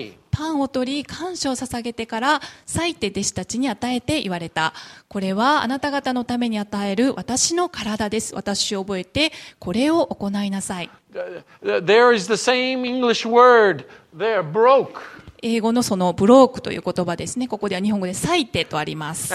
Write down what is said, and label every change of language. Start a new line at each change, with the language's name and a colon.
Japanese: パンを取り感謝を捧げてから裂いて弟子たちに与えて言われた。これはあなた方のために与える私の体です。私を覚えてこれを行いなさい。
English: There is the same English word there, broke.
Japanese: 英語のそのブロークという言葉ですね。ここでは日本語で裂いてとあります。